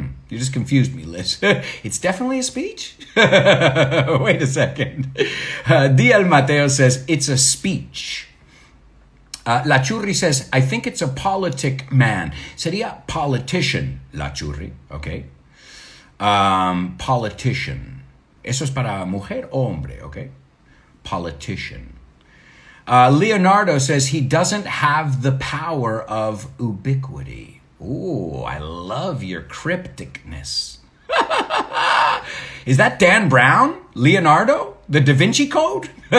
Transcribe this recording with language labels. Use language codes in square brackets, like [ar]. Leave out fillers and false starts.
[en] You just confused me, Liz. It's definitely a speech? Wait a second. D.L. Mateo says it's a speech. La Churri says, I think it's a politic man. [es] Sería politician, La Churri, okay? [en] Politician. [es] Eso es para mujer o hombre, okay? [en] Politician. Leonardo says, he doesn't have the power of ubiquity. Ooh, I love your crypticness. Is that Dan Brown? Leonardo? The Da Vinci Code?